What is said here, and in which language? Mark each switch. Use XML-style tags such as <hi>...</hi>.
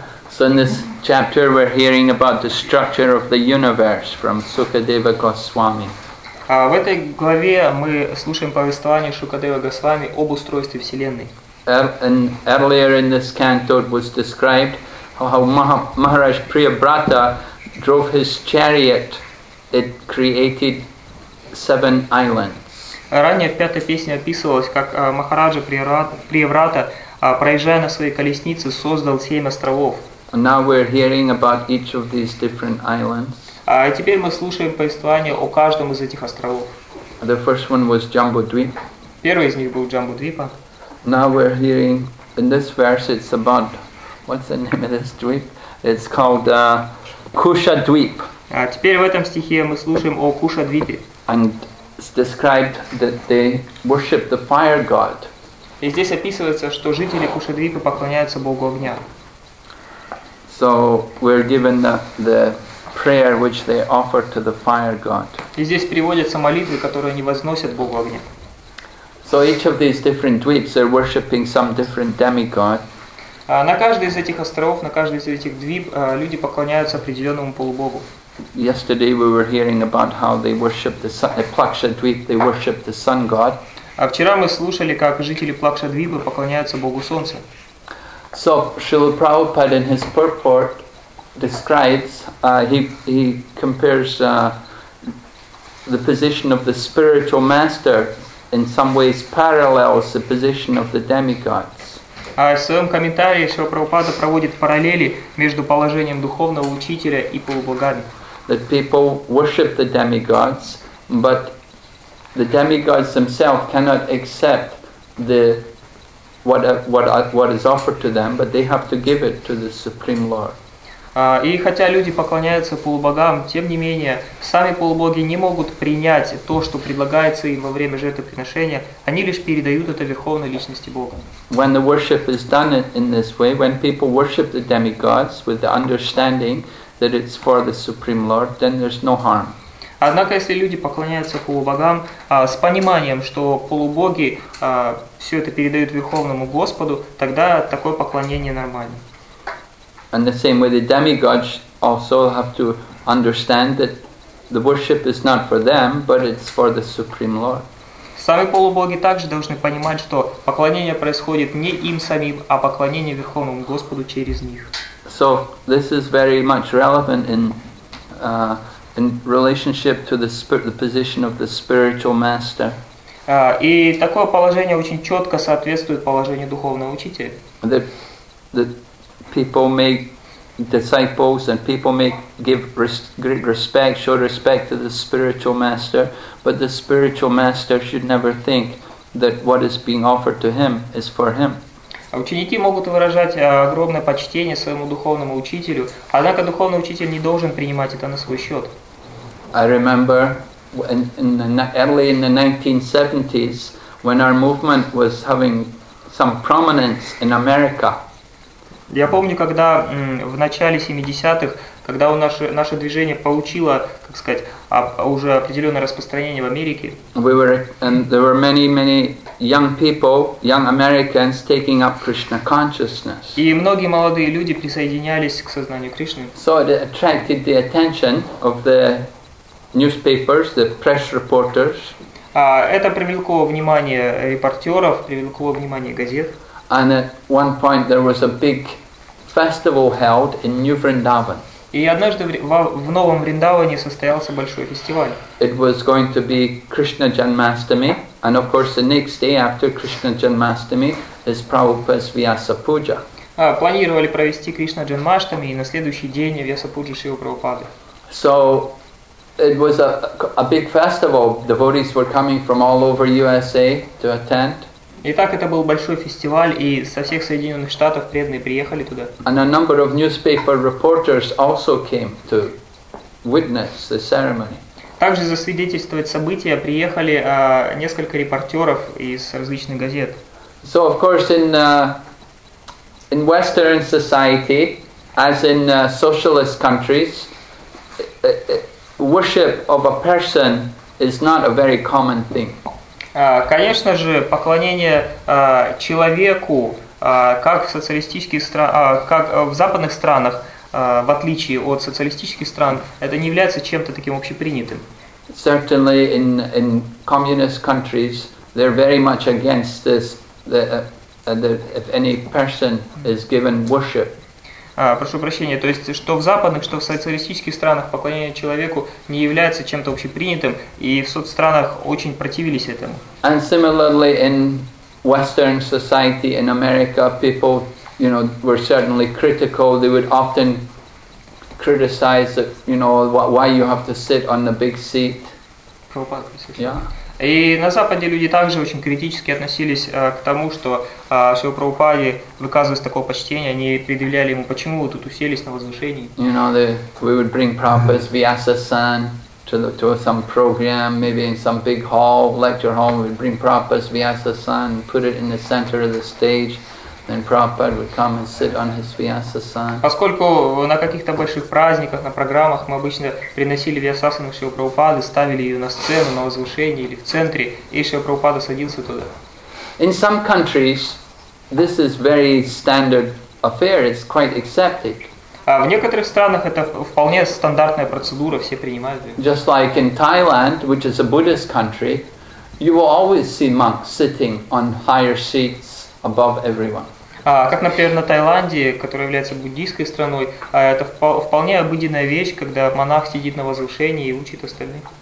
<en>So in this chapter we're hearing about the structure of the universe from Sukadeva Goswami.</en> <ru>В этой главе мы слушаем повествование Шукадева Госвами об устройстве Вселенной.</ru> <en>Earlier in this canto was described how Maharaj Priyabrata drove his chariot. It created seven islands.</en> <ru>Ранее в пятой песне описывалось, как Махараджа Приябрата, проезжая на своей колеснице, создал семь островов.</ru> <en>Now we're hearing about each of these different islands.</en> <ru>А теперь мы слушаем повествование о каждом из этих островов.</ru> <en>The first one was Jambudvip.</en> <ru>Первый из них был Джамбудвипа.</ru> <en>Now we're hearing in this verse it's about what's the name of this dweep? It's called Kushadvip.</en> <ru>А теперь в этом стихе мы слушаем о Кушадвипе.</ru> <en>And it's described that they worship the fire god.</en> <ru>И здесь описывается, что жители Кушадвипа поклоняются богу огня.</ru> <en>So we're given the prayer which they offer to the fire god.</en> <ru>И здесь приводятся молитвы, которые они возносят Богу огня.</ru> <en>So each of these different dweeps are worshiping some different demigod.</en> <ru>На каждый из этих островов, на каждый из этих двип, люди поклоняются определенному полубогу.</ru> <en>Yesterday we were hearing about how they worship the sun, Plaksha dweep, they worship the sun god.</en> <ru>А вчера мы слушали, как жители Плакша двипа поклоняются Богу солнца.</ru> <en>So Srila Prabhupada in his purport describes he compares the position of the spiritual master in some ways parallels the position of the demigods.</en> <ru>В своем комментарии Шрила Прабхупада проводит параллели между положением духовного учителя и полубогами.</ru> <en>That people worship the demigods, but the demigods themselves cannot accept the what is offered to them, but they have to give it to the Supreme Lord.</en> <ru>И хотя люди поклоняются полубогам, тем не менее, сами полубоги не могут принять то, что предлагается им во время жертвоприношения, они лишь передают это Верховной Личности Бога.</ru> <en>When the worship is done in this way, when people worship the demigods with the understanding that it's for the Supreme Lord, then there's no harm.</en> <ru>Однако, если люди поклоняются полубогам с пониманием, что полубоги все это передают Верховному Господу, тогда такое поклонение нормально.</ru> <en>And the same way the demigods also have to understand that the worship is not for them, but it's for the Supreme Lord.</en> <ru>Сами полубоги также должны понимать, что поклонение происходит не им самим, а поклонение Верховному Господу через них.</ru> <en>So this is very much relevant in relationship to the position of the spiritual master.</en> <ru>И такое положение очень четко соответствует положению духовного учителя.</ru> <en>People make disciples and people may give great respect, show respect to the spiritual master, but the spiritual master should never think that what is being offered to him is for him.</en> <ru>Ученики могут выражать огромное почтение своему духовному учителю, однако духовный учитель не должен принимать это на свой счет.</ru> <en>I remember early in the 1970s, when our movement was having some prominence in America.</en> <ru>Я помню, когда в начале 70-х, когда наше движение получило, как сказать, уже определенное распространение в Америке. И многие молодые люди присоединялись к сознанию Кришны.</ru> <en>So it attracted the attention of the newspapers, the press reporters.</en> <ru>Это привлекло внимание репортеров, привлекло внимание газет.</ru> <en>And at one point there was a big festival held in New Vrindavan.</en> <ru>И однажды в Новом Вриндаване состоялся большой фестиваль.</ru> <en>It was going to be Krishna Janmashtami, and of course the next day after Krishna Janmashtami is Prabhupada's Vyasa Puja.</en> <ru>Планировали провести Кришна Джанмаштами, и на следующий день Вьяса Пуджа Шрила Прабхупады.</ru> <en>So it was a big festival. Devotees were coming from all over USA to attend.</en> <ru>Итак, это был большой фестиваль, и со всех Соединенных Штатов преданные приехали туда.</ru> <en>And a number of newspaper reporters also came to witness the ceremony.</en> <ru>Также засвидетельствовать события приехали несколько репортеров из различных газет.</ru> <en>So, of course, in Western society, as in socialist countries, worship of a person is not a very common thing.</en> <ru>Конечно же, поклонение человеку, как в социалистических странах, как в западных странах, в отличие от социалистических стран, это не является чем-то таким общепринятым.</ru> <en>Certainly in communist countries they're very much against this, that if any person is given worship.</en> <ru>Прошу прощения, то есть, что в западных, что в социалистических странах поклонение человеку не является чем-то общепринятым, и в соцстранах очень противились этому.</ru> <en>And similarly, in Western society, in America, people, you know, were certainly critical. They would often criticize, you know, why you have to sit on the big seat.</en> <ru>И на Западе люди также очень критически относились к тому, что Шрила Прабхупаде, выказывая такое почтение, они предъявляли ему, почему вы тут уселись на возвышении.</ru> <en>You know, we would bring Prabhupada's Vyasa-san to some program, maybe in some big hall, lecture hall, we would bring Prabhupada's Vyasa-san, put it in the center of the stage. And Prabhupada would come and sit on his Vyasa-san.</en> <ru>Поскольку на каких-то больших праздниках, на программах мы обычно приносили Вьясасану Шрилу Прабхупаду, ставили ее на сцену, на возвышение или в центре, и Шрила Прабхупада садился туда.</ru> <en>In some countries, this is very standard affair. It's quite accepted.</en> <ru>В некоторых странах это вполне стандартная процедура, все принимают ее.</ru> <en>Just like in Thailand, which is a Buddhist country, you will always see monks sitting on higher seats. Above everyone.</en> <ru>Как, например, на Таиланде, которая является буддийской страной, это вполне обыденная вещь, когда монах сидит на возвышении и учит остальных.</ru>